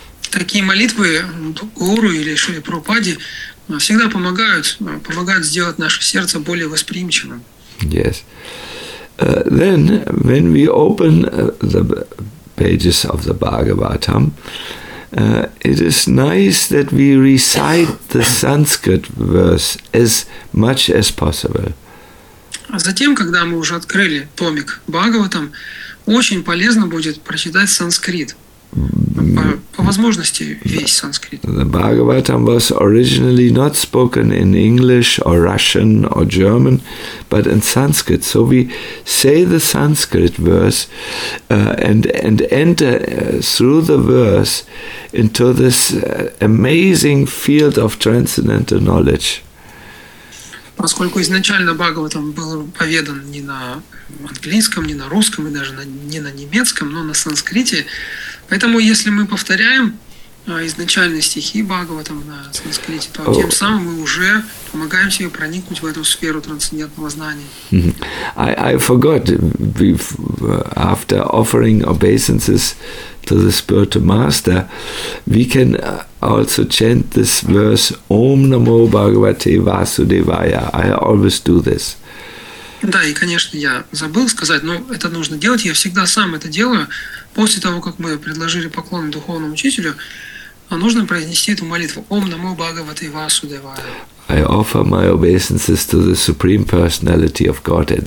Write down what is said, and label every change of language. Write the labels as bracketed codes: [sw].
[ru] Такие молитвы Гуру или Шри Прабхупаде всегда помогают сделать наше сердце более восприимчивым. [en] Yes. Then, when we open the pages of the Bhagavatam, it is nice that we recite the Sanskrit verse as much as possible. [ru] А затем, когда мы уже открыли томик Бхагаватам, очень полезно будет прочитать санскрит. По возможности весь санскрит. [en] The Bhagavatam was originally not spoken in English or Russian or German, but in Sanskrit. So we say the Sanskrit verse and enter through the verse into this amazing field of transcendental knowledge. [ru] Поскольку изначально Бхагаватам был поведан не на английском, не на русском и даже не на немецком, но на санскрите. Поэтому, если мы повторяем изначальные стихи Бхагаватам на санскрите, то тем самым мы уже помогаем себе проникнуть в эту сферу трансцендентного знания. [en] I forgot, after offering obeisances to the spiritual master, we can also chant this verse, [sa] Om Namo Bhagavate Vasudevaya. [en] I always do this. [ru] Да, и, конечно, я забыл сказать, но это нужно делать. Я всегда сам это делаю. После того, как мы предложили поклон духовному учителю, нужно произнести эту молитву. [sa] Ом намо бхагавате васудевая. [en] I offer my obeisances to the Supreme Personality of Godhead.